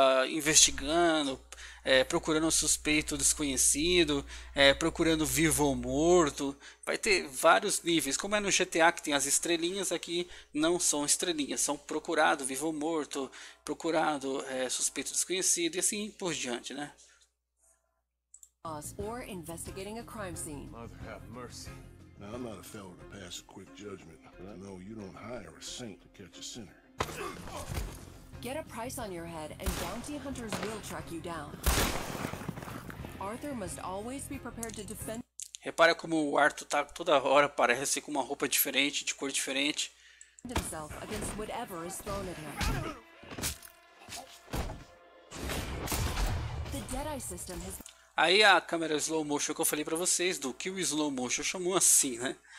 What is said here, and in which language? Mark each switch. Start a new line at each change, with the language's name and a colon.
Portuguese: Investigando, procurando suspeito desconhecido, procurando vivo ou morto. Vai ter vários níveis. Como é no GTA que tem as estrelinhas, aqui não são estrelinhas. São procurado, vivo ou morto, procurado, suspeito desconhecido e assim por diante, né?
English: Or investigating a crime scene. Mother have mercy. Now I'm not a fellow to pass a quick judgment, but I know you don't hire a saint to catch a sinner. Get a price on your head and bounty hunters will track you down. Arthur must always be prepared to defend.
Portuguese: Repara como o Arthur tá toda hora, parece com uma roupa diferente, de cor diferente.
English: Himself against whatever is thrown at him. The Deadeye system has.
Portuguese: Aí a câmera slow motion que eu falei pra vocês, do que o slow motion chamou assim, né?